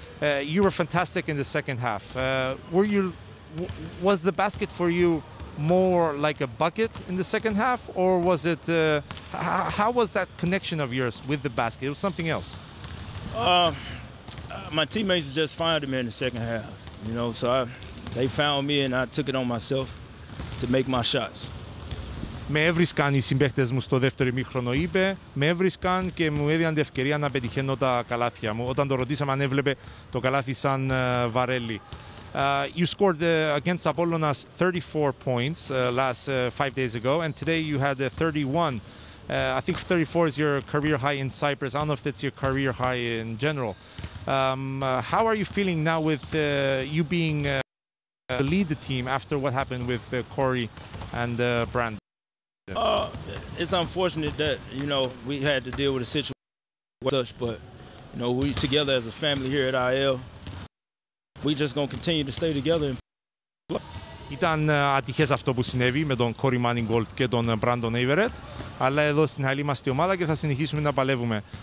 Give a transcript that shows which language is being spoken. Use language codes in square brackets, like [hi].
[en] You were fantastic in the second half. Was the basket for you more like a bucket in the second half, or was it how was that connection of yours with the basket? It was something else. My teammates were just finding me in the second half, you know, so they found me and I took it on myself to make my shots. [el] Με έβρισκαν οι συμπαίκτες μου στο δεύτερο ημίχρονο, είπε. Με έβρισκαν και μου έδιναν την ευκαιρία να πετυχαίνω τα καλάθια μου. Όταν το ρωτήσαμε αν έβλεπε το καλάθι σαν βαρέλι. [en] You scored against Apollonas 34 points last 5 days ago, and today you had 31. I think 34 is your career high in Cyprus. I don't know if that's your career high in general. How are you feeling now with you being lead the team after what happened with Corey and Brandon? It's unfortunate that, you know, we had to deal with a situation with us, but, you know, we together as a family here at IL, we just going to continue to stay together. [el] Ήταν ατυχές αυτό που συνέβη με τον Corey Manningold και τον Brandon Everett, αλλά εδώ στην άλλη μας τη ομάδα και θα συνεχίσουμε να παλεύουμε.